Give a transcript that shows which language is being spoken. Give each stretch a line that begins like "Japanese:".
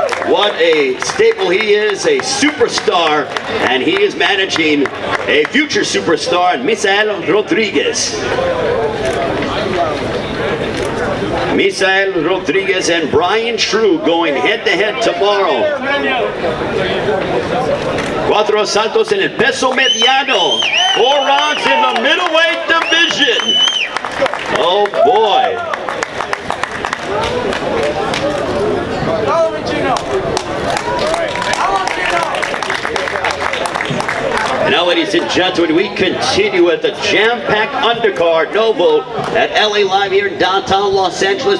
English: What a staple he is, a superstar, and he is managing a future superstar, Misael Rodriguez. Misael Rodriguez and Brian True going head-to-head tomorrow.
Spanish: Cuatro saltos en el peso mediano.
English: Four rounds in the middleweight division. Oh, boy. Now, ladies and gentlemen, we continue at the jam-packed undercard, Novo, at LA Live here in downtown Los Angeles.